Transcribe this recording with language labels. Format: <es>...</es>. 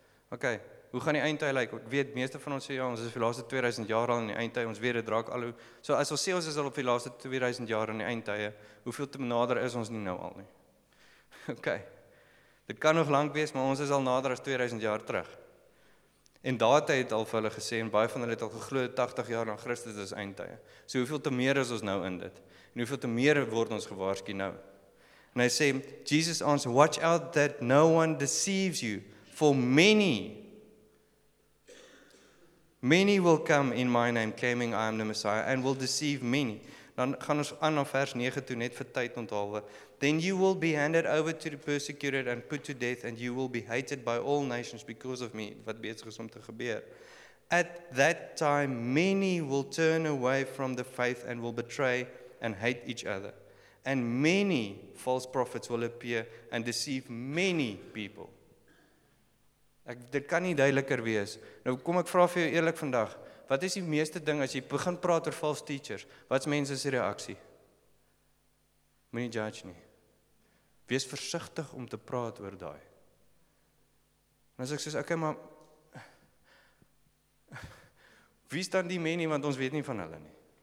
<af>Ok, Hoe gaan die eindtyd lyk? Ek weet, meeste van ons sê, ja, ons is vir die laaste 2000 jaar al in die eindtyd, ons weet, het raak al hoe, so as ons sê, ons is al vir die laaste 2000 jaar in die eindtyd, hoeveel te nader is ons nie nou al nie? Ok, dit kan nog lang wees, maar ons is al nader as 2000 jaar terug. En daardie het al vir hulle gesê, en baie van hulle het al geglo, 80 jaar na Christus is eindtyd. So hoeveel te meer is ons nou in dit? En hoeveel te meer word ons gewaarsku nou? En hy sê,</af> <en>Jesus answer, watch out that no one deceives you, for many... Many will come in my name, claiming I am the Messiah, and will deceive many.</en> <af>Dan gaan ons aan na vers 9 toe, net vir tyd onthalwe.</af> <en>Then you will be handed over to the persecuted and put to death, and you will be hated by all nations because of me.</en> <af>Wat besig is om te gebeur.</af> <en>At that time, many will turn away from the faith and will betray and hate each other. And many false prophets will appear and deceive many people.</en> <af>Ek, dit kan nie duideliker wees. Nou kom ek vra vir jou eerlik vandag, wat is die meeste ding as jy begin praat oor false teachers? Wat is mense se reaksie? Moenie judge nie. Wees versigtig om te praat oor daai. En as ek sê, okay, maar wie is dan die menie, want ons weet nie van hulle nie.</af>